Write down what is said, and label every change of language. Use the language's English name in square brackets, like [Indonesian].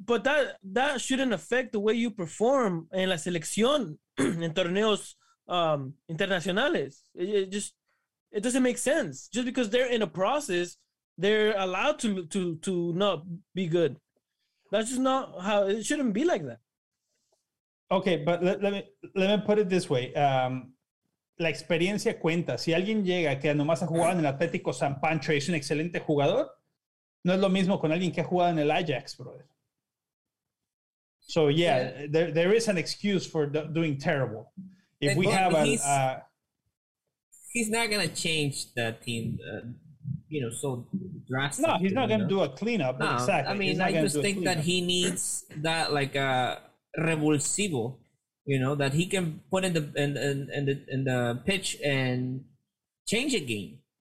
[English] But that shouldn't affect the way you perform in la selección in [Spanish] torneos internacionales. [English] It doesn't make sense. Just because they're in a process, they're allowed to not be good. That's just not how it shouldn't be like that. Okay, but let me put it this way. [Spanish] la experiencia cuenta. Si alguien llega que nomás ha jugado en el Atlético San Pancho y es un excelente jugador, no es lo mismo con alguien que ha jugado en el Ajax, brother. [English] So, yeah, there is an excuse for doing terrible. If we have a... He's not going to change that team, you know, so drastically. No, he's not going to do a cleanup. No, exactly. I mean, I just think that he needs that, like, a revulsivo, you know, that he can put in the pitch and change a game.